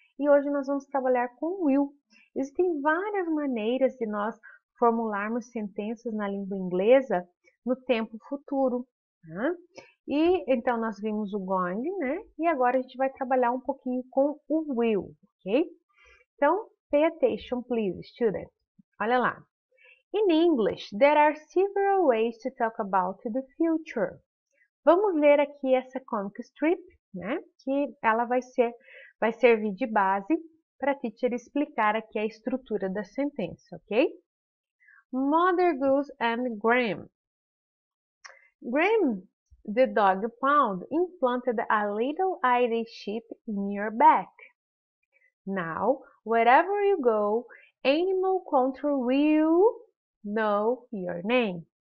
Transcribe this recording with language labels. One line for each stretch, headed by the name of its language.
Portuguese: E hoje nós vamos trabalhar com will. Existem várias maneiras de nós formularmos sentenças na língua inglesa no tempo futuro, né? E então nós vimos o going, né? E agora a gente vai trabalhar um pouquinho com o will, ok? Então,
English: pay attention, please, student.
Portuguese: Olha lá.
English: In English, there are several ways to talk about the future.
Portuguese: Vamos ler aqui essa comic strip, né? Que ela vai servir de base para a teacher explicar aqui a estrutura da sentença, ok?
English: Mother Goose and Graham. Graham, the dog pound, implanted a little ID chip in your back. Now, wherever you go, animal control will know your name.